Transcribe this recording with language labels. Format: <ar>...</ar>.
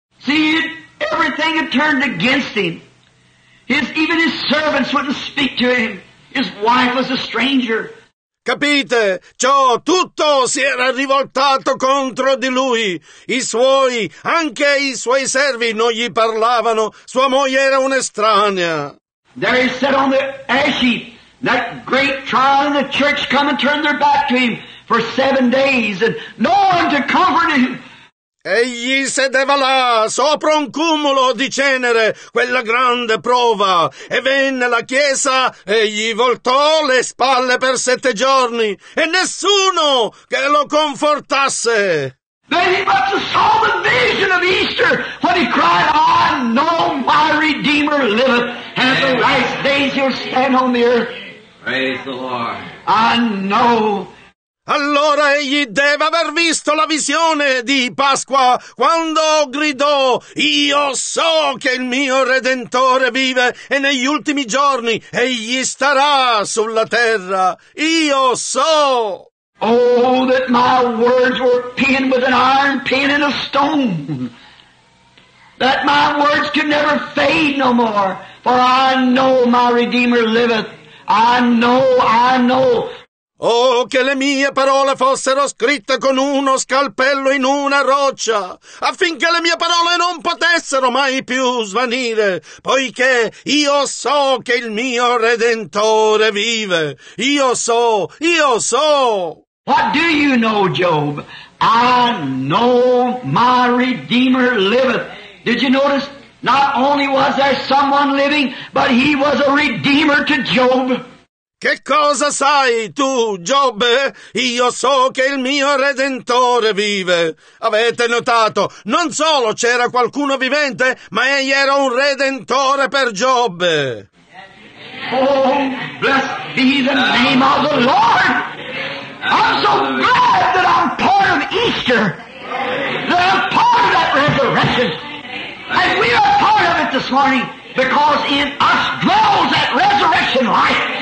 <en>See it? Everything had turned against him. Even his servants wouldn't speak to him. His wife was a stranger.</en> <it>Capite? Ciò tutto si era rivoltato contro di lui. I suoi, anche i suoi servi non gli parlavano. Sua moglie era un'estranea.</it> <en>There he sat on the ash heap. That great trial in the church come and turn their back to him for 7 days and no one to comfort him.</en> <it>Egli sedeva là, sopra un cumulo di cenere, quella grande prova, e venne la chiesa e gli voltò le spalle per 7 giorni, e nessuno che lo confortasse.</it> <en>Then he must have saw the vision of Easter, when he cried, I know my Redeemer liveth, and at the last days he'll stand on the earth. Praise the Lord. I know.</en> <it>Allora egli deve aver visto la visione di Pasqua quando gridò, io so che il mio Redentore vive e negli ultimi giorni egli starà sulla terra. Io so.</it> <en>Oh, that my words were pinned with an iron pin and a stone. That my words could never fade no more. For I know my Redeemer liveth. I know.</en> <it>Oh, che le mie parole fossero scritte con uno scalpello in una roccia, affinché le mie parole non potessero mai più svanire, poiché io so che il mio Redentore vive. Io so.</it> <en>What do you know, Job? I know my Redeemer liveth. Did you notice? Not only was there someone living, but he was a Redeemer to Job.</en> <it>Che cosa sai tu, Giobbe? Io so che il mio Redentore vive. Avete notato, non solo c'era qualcuno vivente, ma egli era un Redentore per Giobbe.</it> <en>Oh, blessed be the name of the Lord! I'm so glad that I'm part of Easter. That I'm part of that resurrection. And we are part of it this morning because in us dwells that resurrection life.</en>